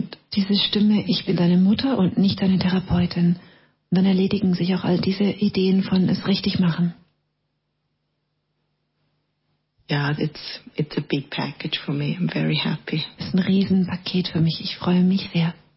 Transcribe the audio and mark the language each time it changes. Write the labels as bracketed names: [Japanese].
[German] Diese Stimme, ich bin deine Mutter und nicht deine Therapeutin. Und dann erledigen sich auch all diese Ideen von es richtig machen. [English] Ja, yeah, it's a big package for me. I'm very happy. [German] Es ist ein Riesenpaket für mich. Ich freue mich sehr.